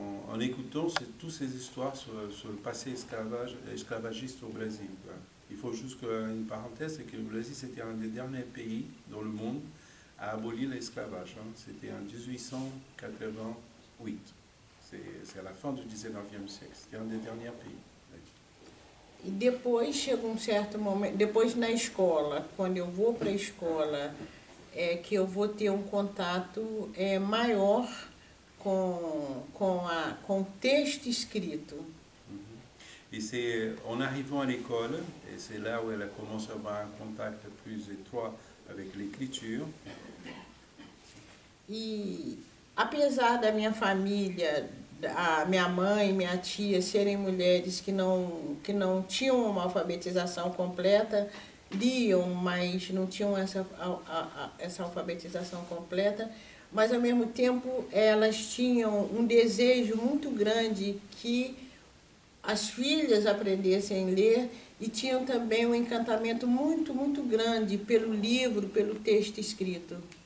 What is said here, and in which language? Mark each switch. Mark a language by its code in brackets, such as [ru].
[fr] en écoutant toutes ces histoires sur le passé esclavagiste au Brésil. Il faut juste une parenthèse, c'est que le Brésil, c'était un des derniers pays dans le monde à abolir l'esclavage. C'était en 1888. C'est à la fin du 19e siècle. C'était un des derniers pays. [pt] E depois chega um certo momento, depois na escola, quando eu vou para a escola, é que eu vou ter um contato maior com o texto escrito. [fr] Et c'est en arrivant à l'école, et c'est là où elle a commencé à avoir un contact plus étroit avec l'écriture. [pt] E apesar da minha família, a minha mãe e minha tia serem mulheres que não tinham uma alfabetização completa, liam, mas não tinham essa alfabetização completa, mas ao mesmo tempo elas tinham um desejo muito grande que as filhas aprendessem a ler e tinham também um encantamento muito, muito grande pelo livro, pelo texto escrito.